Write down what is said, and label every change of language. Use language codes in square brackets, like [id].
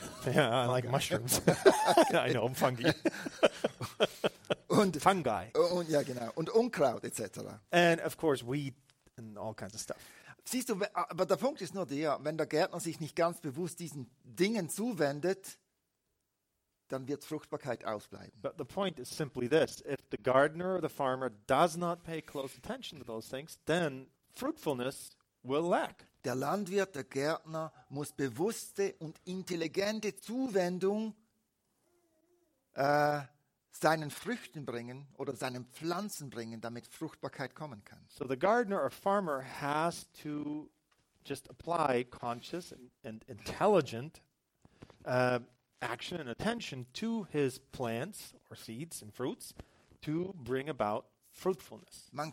[en] yeah, I like mushrooms, I know, I'm fungi. [de] Und [en] Fungi, [de] und ja genau, und Unkraut etc. [en] And of course weed and all kinds of stuff. [de] Siehst du, aber der Punkt ist nur der, wenn der Gärtner sich nicht ganz bewusst diesen Dingen zuwendet, dann wird Fruchtbarkeit ausbleiben. [en] But the point is simply this, if the gardener or the farmer does not pay close attention to those things, then fruitfulness will lack. [de] Der Landwirt, der Gärtner muss bewusste und intelligente Zuwendung seinen Früchten bringen oder seinen Pflanzen bringen, damit Fruchtbarkeit kommen kann. [en] So the gardener or farmer has to just apply conscious and intelligent action and attention to his plants or seeds and fruits to bring about fruitfulness.